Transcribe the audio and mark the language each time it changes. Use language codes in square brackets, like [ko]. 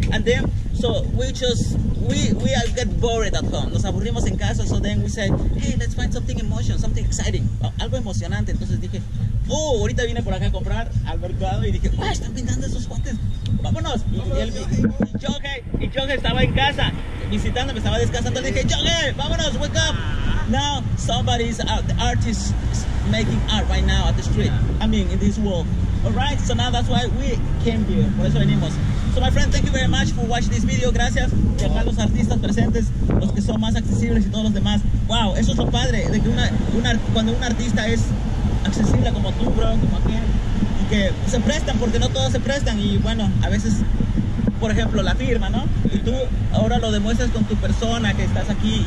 [en] And then, so we all get bored at home. [es] Nos aburrimos en casa. [en] So then we say, hey, let's find something emotional, something exciting, [es] algo emocionante. Entonces dije, oh, ahorita vine por acá a comprar al mercado y dije, ah, están pintando esos cuates. Vámonos. Vámonos. Y él, Jorge estaba en casa visitando, me estaba descansando. Dije, Jorge, vámonos, [en] wake up. Now somebody's out, the artist is making art right now at the street. Yeah. I mean, in this world. Alright, so now that's why we came here. [es] Por eso venimos. [en] So my friend, thank you very much for watching this video. [es] Gracias. Y acá los artistas presentes, los que son más accesibles y todos los demás. Wow, eso es lo padre. De que cuando un artista es accesible como tú, bro, como aquel. Y que se prestan, porque no todos se prestan. Y bueno, a veces, por ejemplo, la firma, ¿no? Y tú ahora lo demuestras con tu persona que estás aquí.